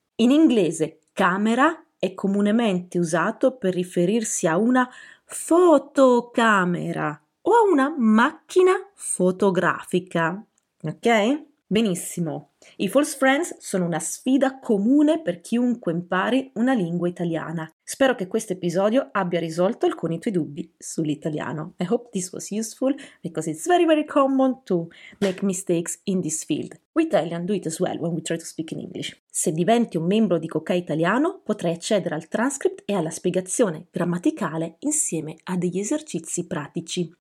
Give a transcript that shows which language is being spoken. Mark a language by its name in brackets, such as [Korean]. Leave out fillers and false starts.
[Italian] In inglese camera è comunemente usato per riferirsi a una fotocamera o a una macchina fotografica, ok? Benissimo, i false friends sono una sfida comune per chiunque impari una lingua italiana. Spero che questo episodio abbia risolto alcuni tuoi dubbi sull'italiano. [English] I hope this was useful because it's very very common to make mistakes in this field. We Italians do it as well when we try to speak in English. [Italian] Se diventi un membro di Coca Italiano potrai accedere al transcript e alla spiegazione grammaticale insieme a degli esercizi pratici.